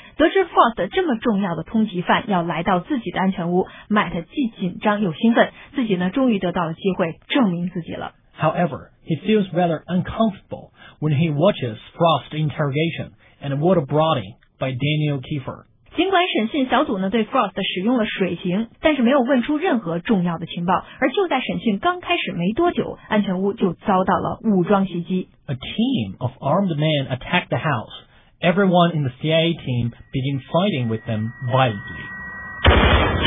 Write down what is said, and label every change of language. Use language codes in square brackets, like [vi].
[zh] 得知 Frost 这么重要的通缉犯要来到自己的安全屋， Matt 既紧张又兴奋，自己呢终于得到了机会证明自己了。 [en] However, he feels rather uncomfortable when he watches Frost's interrogation and waterboarding by Daniel Kiefer. [zh] 尽管审讯小组呢对 Frost 使用了水刑，但是没有问出任何重要的情报。而就在审讯刚开始没多久，安全屋就遭到了武装袭击。 [en] A team of armed men attacked the house. Everyone in the CIA team began fighting with them violently.